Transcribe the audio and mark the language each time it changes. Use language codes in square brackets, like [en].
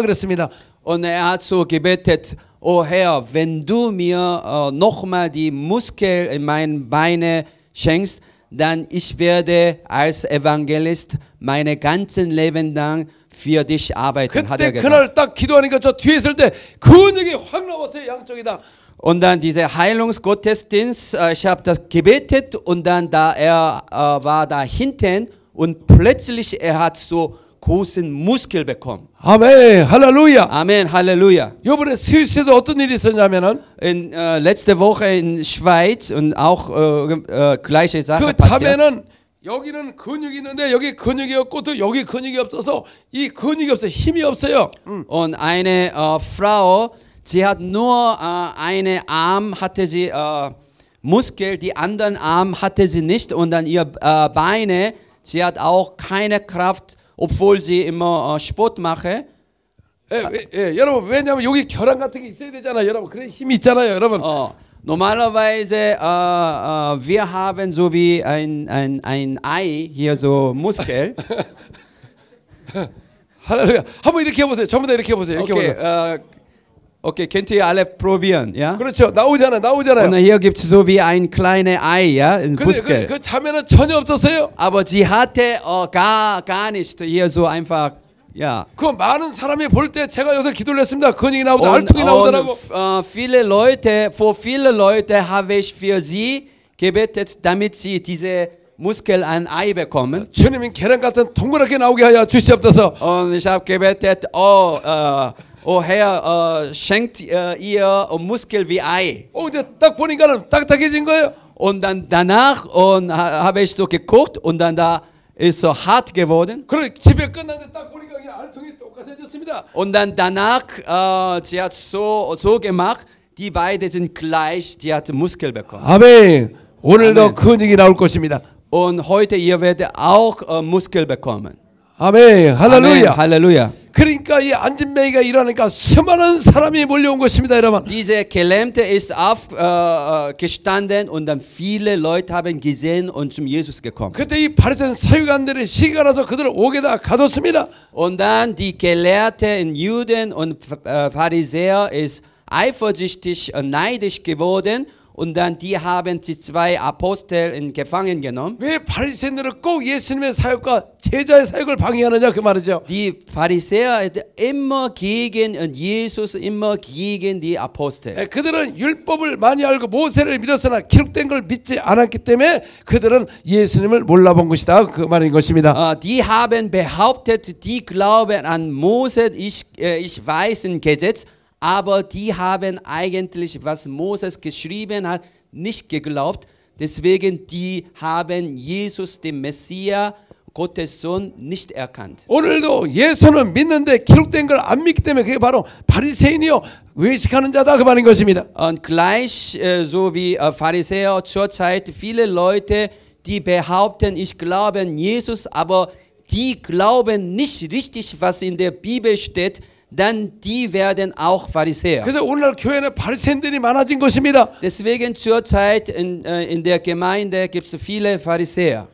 [ko] 그랬습니다. [de] Und er hat so gebetet, oh Herr, wenn du mir nochmal die Muskel in meinen Beine schenkst, dann ich werde als Evangelist meine ganzen Leben lang für dich arbeiten, [ko] 그때 [de] hat er [ko] 그날 딱 기도하니까 저 뒤에 있을 때 근육이 확 나왔어요 양쪽이다. [de] Und dann diese Heilungsgottesdienst, ich habe das gebetet und dann da er war da hinten und plötzlich er hat so großen Muskel bekommen. Amen, Halleluja. Amen, Halleluja. [ko] 이번에 스위스에도 어떤 일이 있었냐면은 [de] in letzte Woche in Schweiz und auch gleiche Sache 그 passiert. [ko] 여기는 근육이 있는데 여기 근육이 없고 또 여기 근육이 없어서 이 근육이 없어요. 힘이 없어요. [de] Und eine Frau, sie hat nur eine Arm hatte sie Muskel, die anderen Arm hatte sie nicht und dann ihr Beine, sie hat auch keine Kraft, obwohl sie immer Sport mache. [ko] 여러분, 왜냐면 여기 결함 같은 게 있어야 되잖아요, 여러분. 그래 힘이 있잖아요, 여러분. [de] Normalerweise wir haben so wie ein Ei hier so Muskel. [ko] Halleluja. 한번 이렇게 해보세요. 전부 다 이렇게 해보세요. 이렇게 [en] okay, [ko] 보세요. [de] Okay, könnt ihr alle probieren, ja? [ko] 그렇죠. 나오잖아요. 나오잖아요. [de] Und hier gibt's so wie ein kleines Ei, ja, ein Muskel. [ko] 그 자매는 전혀 없었어요. [de] Aber sie hatte gar nicht hier so einfach, ja. [ko] 그 많은 사람이 볼 때 제가 여기서 기도를 했습니다. 근육이 나오고 알통이 나오더라고. [de] Viele Leute, vor viele Leute habe ich für sie gebetet, damit sie diese Muskel an Ei bekommen. [ko] 주님이 계란 같은 동그랗게 나오게 하여 주시옵소서. [de] Und ich habe gebetet, Oh Herr, schenkt ihr Muskel wie Ei. Oh, der Tag von Ihnen, Tag Tag ist in Gehe. Und dann danach und habe ich so geguckt und dann da ist so hart geworden. [ko] 그래, 집에 끝났는데 딱 보니까 이 알통이 똑같아졌습니다. [de] Und dann danach, sie hat so gemacht, die beiden sind gleich, die hat Muskel bekommen. [ko] 아멘. 오늘도 근육이 나올 것입니다. [de] Und heute ihr werdet auch Muskel bekommen. [ko] 아멘. 할렐루야. 아멘. 할렐루야. 그러니까 이 앉은뱅이가 일어나니까 수많은 사람이 몰려온 것입니다, 여러분. [de] Diese Gelähmte ist aufgestanden und dann viele Leute haben gesehen und zum Jesus gekommen. [ko] 그때 이 바리새인 사유관들이 시기가 나서 그들을 옥에다 가뒀습니다. [de] Und dann die Gelehrten Juden und Pharisäer ist eifersüchtig und neidisch geworden. Und dann die haben die zwei Apostel in Gefangen genommen. [ko] 왜 바리새인들은 꼭 예수님의 사역과 제자의 사역을 방해하느냐 그 말이죠. [de] Die Pharisäer immer gegen Jesus, immer gegen die Apostel. [ko] 네, 그들은 율법을 많이 알고 모세를 믿었으나 기록된 걸 믿지 않았기 때문에 그들은 예수님을 몰라본 것이다 그 말인 것입니다. [de] Die haben behauptet, die glauben an Mose, ich weiß in Gesetz. Aber die haben eigentlich, was Moses geschrieben hat, nicht geglaubt. Deswegen die haben Jesus, den Messias, Gottes Sohn, nicht erkannt. [ko] 오늘도 예수는 믿는데 기록된 걸 안 믿기 때문에 그게 바로 바리새인이요 외식하는 자다 그 말인 것입니다. [de] Und gleich so wie Pharisäer zur Zeit viele Leute, die behaupten, ich glaube an Jesus, aber die glauben nicht richtig, was in der Bibel steht. Dann die werden auch Pharisäer. [ko] 그래서 오늘날 교회는 바리새인들이 많아진 것입니다. [de] Deswegen zur Zeit in der Gemeinde gibt's viele Pharisäer.